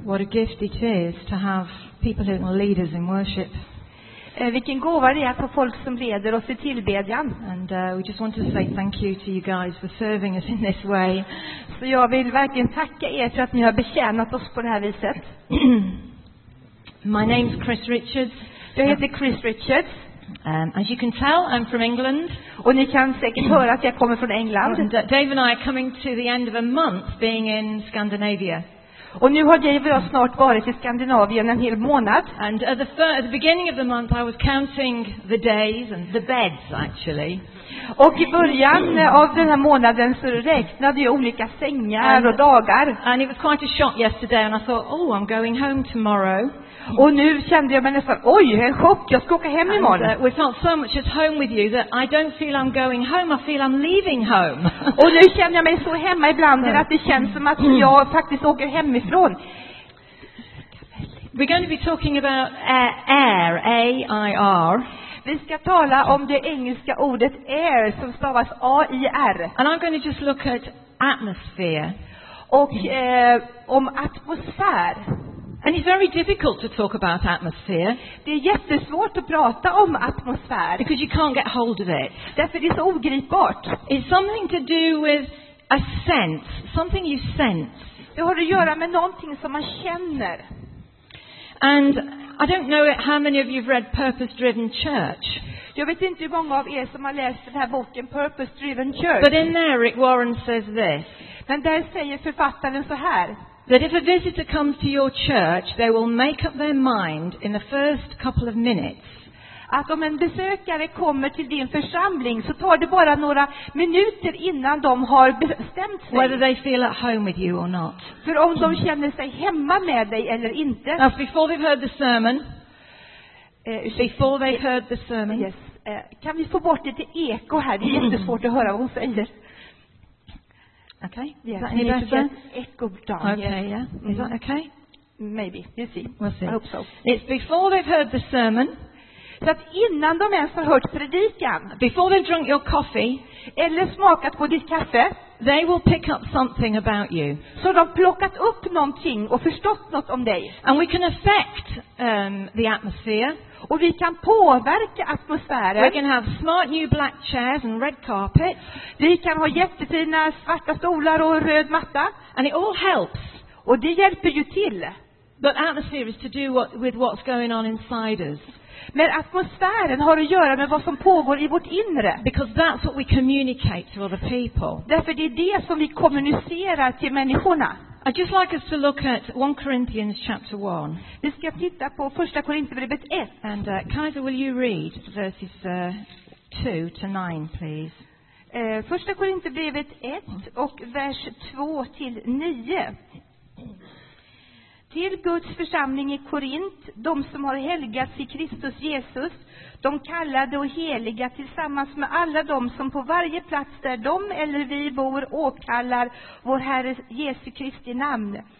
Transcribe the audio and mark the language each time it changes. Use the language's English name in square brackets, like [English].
[English] Gift it is to have people who can lead us in worship. [Swedish] Vilken gåva det är att ha folk som leder oss i tillbedjan. [English] And we just want to say thank you to you guys for serving us in this way. [Swedish] Så jag vill verkligen tacka er för att ni har betjänat oss på det här viset. [English] My name's Chris Richards. [Swedish] Jag heter Chris Richards. [English] As you can tell, I'm from England. [Swedish] Och ni kan säkert höra att jag kommer från England. [English] Dave and I are coming to the end of a month being in Scandinavia. [Swedish] Och nu har Dave och jag snart varit i Skandinavien en hel månad. [English] And at the beginning of the month I was counting the days and the beds actually. [Swedish] Och i början av den här månaden så räknade jag olika sängar och dagar. [English] And it was quite a shock yesterday and I thought, oh, I'm going home tomorrow. [Swedish] Och nu kände jag mig nästan, oj, en chock, jag ska åka hem imorgon. [English] And, we felt so much at home with you that I don't feel I'm going home, I feel I'm leaving home. [Swedish] Och nu känner jag mig så hemma ibland att det känns som att jag faktiskt åker hemifrån. [English] We're going to be talking about air, A-I-R. [Swedish] Vi ska tala om det engelska ordet air, som stavas A-I-R. [English] And I'm going to just look at atmosphere. [Swedish] Och om atmosfär. [English] And it's very difficult to talk about atmosphere. [Swedish] Det är jättesvårt att prata om atmosfär. [English] Because you can't get hold of it. [Swedish] Därför det är så ogripbart. [English] It's something to do with a sense, something you sense. [Swedish] Det har att göra med någonting som man känner. [English] And I don't know how many of you have read Purpose Driven Church. [Swedish] Jag vet inte hur många av er som har läst den här boken Purpose Driven Church. [English] But in there Rick Warren says this. [Swedish] Men där säger författaren så här. [English] That if a visitor comes to your church, they will make up their mind in the first couple of minutes. [Swedish] Att om en besökare kommer till din församling så tar det bara några minuter innan de har bestämt sig. [English] Whether they feel at home with you or not. [Swedish] För om de känner sig hemma med dig eller inte. [English] Now before they've heard the sermon. Before they've heard the sermon. Yes. [Swedish] Kan vi få bort lite eko här? Det är jättesvårt att höra vad hon säger. [English] Okay. Yeah. Is that any better? Echo down. Okay. Yeah. Is that okay? Maybe. We'll see. We'll see. I hope so. It's before they've heard the sermon. [Swedish] Så att innan de ens har hört predikan. [English] Before they've drunk your coffee. [Swedish] Eller smakat på ditt kaffe. [English] They will pick up something about you. [Swedish] Så de har plockat upp någonting och förstått något om dig. [English] And we can affect the atmosphere. [Swedish] Och vi kan påverka atmosfären. [English] We can have smart new black chairs and red carpets. [Swedish] Vi kan ha jättefina svarta stolar och röd matta. [English] And it all helps. [Swedish] Och det hjälper ju till. [English] But atmosphere is to do with what's going on inside us. [Swedish] Men atmosfären har att göra med vad som pågår i vårt inre. [English] Because that's what we communicate to other people. [Swedish] Därför det är det som vi kommunicerar till människorna. [English] I'd just like us to look at 1 Corinthians chapter 1. [Swedish] Vi ska titta på 1 Korinthierbrevet 1. [English] And Kaiser, will you read verses 2 to 9, please? [Swedish] 1 Korinthierbrevet 1 och vers 2 till 9. Till Guds församling i Korint, de som har helgats i Kristus Jesus, de kallade och heliga tillsammans med alla de som på varje plats där de eller vi bor åkallar vår Herre Jesu Kristi namn.